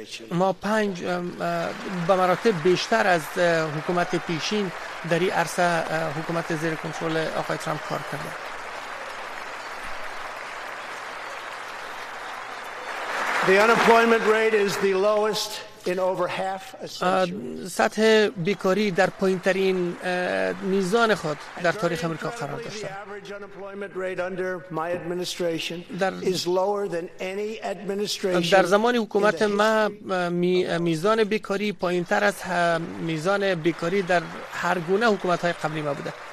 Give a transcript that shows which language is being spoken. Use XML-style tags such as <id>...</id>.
<fa>ما 5 به مراتب بیشتر از حکومت پیشین در این عرصه حکومت زیر کنترل آقای ترامپ کار کرده.</fa> <en>The unemployment rate is the lowest in over half a century.</en> <fa>سطح بیکاری در پایین‌ترین میزان خود در تاریخ آمریکا قرار داشته.</fa> <en>The average unemployment rate under my administration is lower than any administration.</en> <fa>در زمان حکومت ما میزان بیکاری پایین‌تر از میزان بیکاری در هر گونه حکومت‌های قبلی ما بوده.</fa>